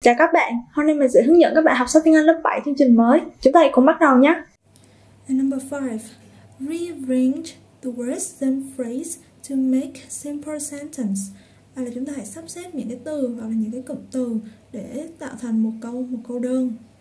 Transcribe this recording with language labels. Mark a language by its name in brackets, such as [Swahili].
[Vietnamese] Chào các bạn, hôm nay mình sẽ hướng dẫn các bạn học sách tiếng Anh lớp 7 chương trình mới. Chúng ta hãy cùng bắt đầu nhé. [English] And number 5. Rearrange the words and phrase to make simple sentence. [Vietnamese] À là chúng ta hãy sắp xếp những cái từ hoặc là những cái cụm từ để tạo thành một câu đơn.